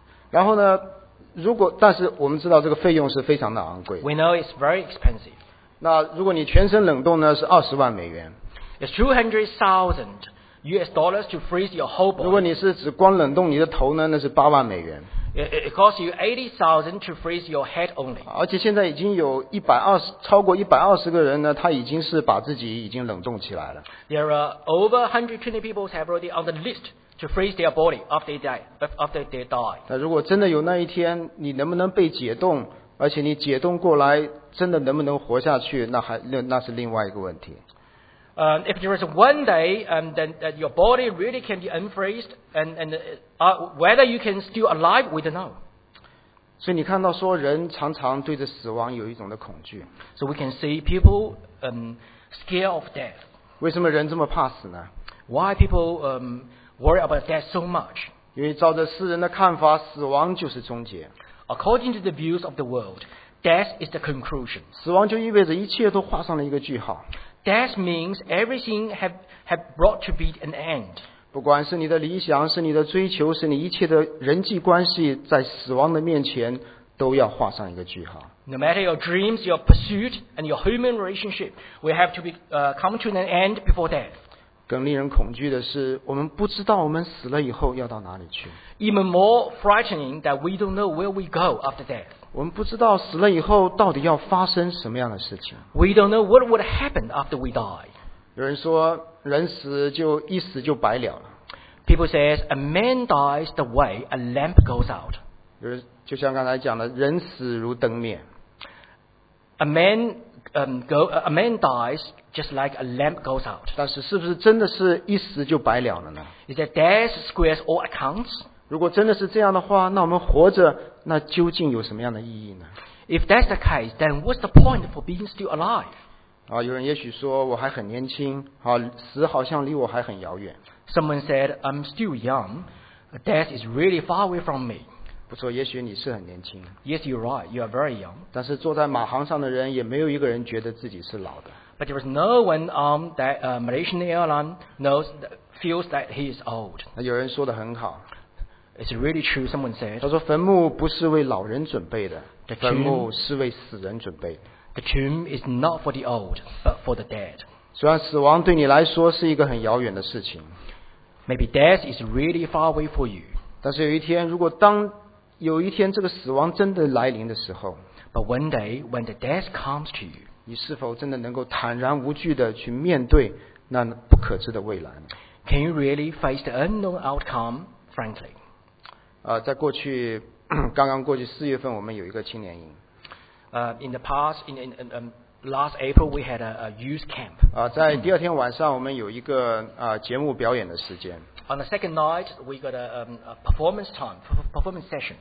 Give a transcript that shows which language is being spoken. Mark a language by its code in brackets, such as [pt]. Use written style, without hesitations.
[zh] 然后呢，如果但是我们知道这个费用是非常的昂贵。 [en] We know it's very expensive. [zh] 那如果你全身冷冻呢，是$200,000。 [en] It's $200,000. US dollars to freeze your whole body. [zh] 如果你是只光冷冻你的头呢，那是$80,000。 [en] It costs you 80,000 to freeze your head only. [zh] 而且现在已经有超过120个人呢，他已经是把自己已经冷冻起来了。 [en] There are over 120 people have already on the list to freeze their body after they die. [zh] 那如果真的有那一天，你能不能被解冻？而且你解冻过来，真的能不能活下去？那是另外一个问题。 [en] If there is one day, then your body really can be unfreezed, and whether you can still alive, we don't know. [zh] 所以你看到说人常常对着死亡有一种的恐惧。 [en] So we can see people scared of death. [zh] 为什么人这么怕死呢？ [en] Why people worry about death so much? [zh] 因为照着世人的看法，死亡就是终结。 [en] According to the views of the world, death is the conclusion. [zh] 死亡就意味着一切都画上了一个句号。 [en] Death means everything have brought to be an end. [zh] 不管是你的理想，是你的追求，是你一切的人际关系，在死亡的面前都要画上一个句号。 [en] No matter your dreams, your pursuit, and your human relationship, we have to be come to an end before death. [zh] 更令人恐惧的是，我们不知道我们死了以后要到哪里去。 [en] Even more frightening that we don't know where we go after death. [zh] 我们不知道死了以后到底要发生什么样的事情。 [en] We don't know what would happen after we die. [zh] 有人说，人死就一死就白了了。 [en] People say a man dies the way a lamp goes out. [zh] 就像刚才讲的，人死如灯灭。 [en] A man dies just like a lamp goes out. [zh] 但是是不是真的是一死就白了了呢？ [en] Is that death squares all accounts? [zh] 如果真的是这样的话，那我们活着那究竟有什么样的意义呢？ [en] If that's the case, then what's the point for being still alive? [zh] 有人也许说我还很年轻，死好像离我还很遥远。 [en] Someone said, I'm still young, death is really far away from me. [zh] 不错，也许你是很年轻。 [en] Yes, you're right, you are very young. [zh] 但是坐在马航上的人也没有一个人觉得自己是老的。 [en] But there is no one on that Malaysian airline knows that feels that he is old. [zh] 有人说得很好。 [en] It's really true, someone said. [zh] 他说坟墓不是为老人准备的，坟墓是为死人准备的。 [en] The tomb is not for the old, but for the dead. [zh] 虽然死亡对你来说是一个很遥远的事情。 [en] Maybe death is really far away for you. [zh] 但是有一天，如果当有一天这个死亡真的来临的时候。 [en] But one day, when the death comes to you. [zh] 你是否真的能够坦然无惧地去面对那不可知的未来呢？ [en] Can you really face the unknown outcome, frankly? [zh] 在过去，刚刚过去四月份，我们有一个青年营。 [en] In last April we had a youth camp。 [zh] 在第二天晚上，我们有一个节目表演的时间。 [en] On the second night we got a performance time, performance session。